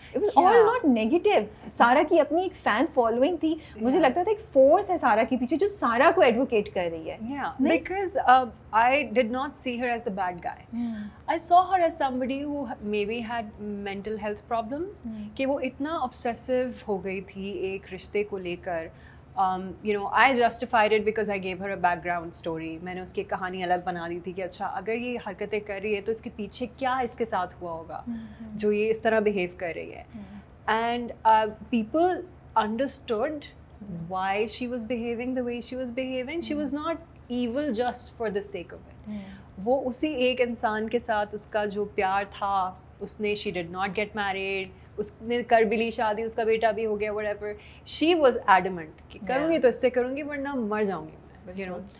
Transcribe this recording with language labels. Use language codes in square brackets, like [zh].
[en] It was all not negative. [hi] सारा की अपनी एक फैन फॉलोइंग थी, मुझे लगता था एक फोर्स है सारा के पीछे जो सारा को एडवोकेट कर रही है. [en] Because I did not see her as the bad guy. I saw her as somebody who may be had mental health problems, [hi] कि वो इतना ऑब्सेसिव हो गई थी एक रिश्ते को लेकर. [en] You know, I justified it because I gave her a background story. [hi] मैंने उसकी कहानी अलग बना दी थी कि अच्छा अगर ये हरकतें कर रही है तो इसके पीछे क्या इसके साथ हुआ होगा जो ये इस तरह बिहेव कर रही है. [en] And people understood why she was behaving the way she was behaving. She was not evil just for the sake of it. [hi] वो उसी एक इंसान के साथ उसका जो प्यार था, उसने, [en] she did not get married, [hi] उसने कर भी ली शादी, उसका बेटा भी हो गया, व्हाटएवर, [en] she was adamant [hi] कि करूँगी तो इससे करूँगी वरना मर जाऊँगी मैं, [en] You know.